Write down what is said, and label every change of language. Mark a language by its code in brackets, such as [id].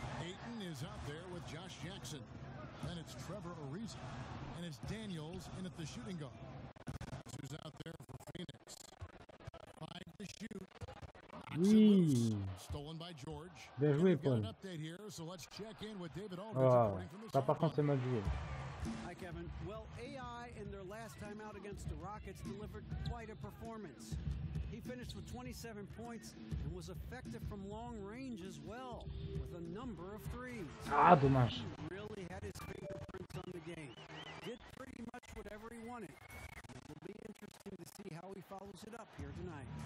[en] Ayton is out there with Josh Jackson. Then it's Trevor Ariza. And it's Daniels in at the shooting guard. Who's out there for Phoenix. Five to shoot. Stolen by George. [fr] Bien joué, Paul. [en] Update here, so let's check in with David [fr] Aldridge. Oh, ça par contre c'est mal joué. [en] Hi, Kevin. Well, AI in their last time out against the Rockets delivered quite a performance. He finished with 27 points and was effective from long range as well, with a number of threes. [fr] Ah, dommage. [en] He really had his fingerprints on the game. Did pretty much whatever he wanted. It'll be interesting to see how he follows it up here tonight.